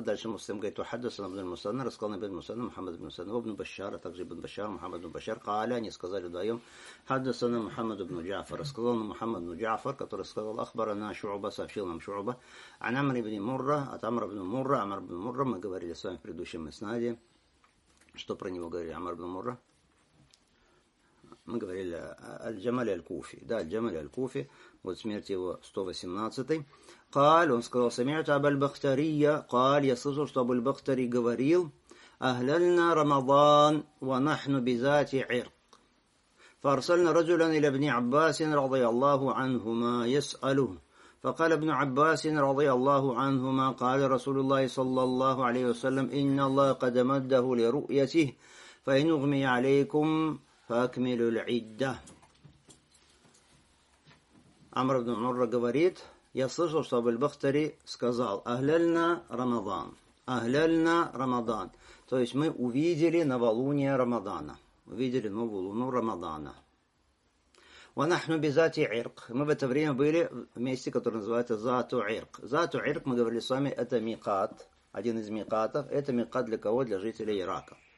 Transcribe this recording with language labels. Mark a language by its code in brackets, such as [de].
[ru] Дальше Муслим говорит, ухаддасана Ибн Мусанна, рассказал на Ибн Мусанна, Мухаммад Ибн Мусанна, Ибн Башар, а также Ибн Башар, Мухаммад Ибн Башар, Кааля, они сказали вдвоем, хаддасана Мухаммад Ибн Джафар, рассказал на Мухаммад Ибн Джафар, который сказал, Ахбарана Шу'ба, сообщил нам Шу'ба, Анамр Ибн Мурра, Атамр Ибн Мурра, Амр Ибн Мурра, мы говорили с вами в предыдущем Иснаде, что про него говорили Амр Ибн Мурра, мы говорили Аль-Джамаль Аль-Куфи, да, Аль-Джамаль Аль-Куфи, вот смерть его 118-й. [ar] قال [ru] он сказал [ar] سمعت ابو البختري قال [ru] я слышал что Абуль-Бахтари говорил [ar] اهللنا رمضان ونحن بذات عرق فارسلنا رجلا الى ابن عباس رضي الله عنهما يساله فقال ابن عباس رضي الله عنهما قال رسول الله صلى الله عليه وسلم ان الله قد مده لرؤيته فان اغمي عليكم فاكملوا العده عمرو بن عمر [ru] говорит я слышал, что Абуль-Бахтари сказал «Ахляльна Рамадан». [ar] «Ахляльна Рамадан». [ru] То есть мы увидели новолуние Рамадана. Увидели новую луну Рамадана. [ar] ونحن بذات عرق. [ru] Мы в это время были в месте, которое называется Зату Ирк. Зату Ирк, мы говорили с вами, это Микат, один из Микатов. Это Микат для кого? Для жителей Ирака.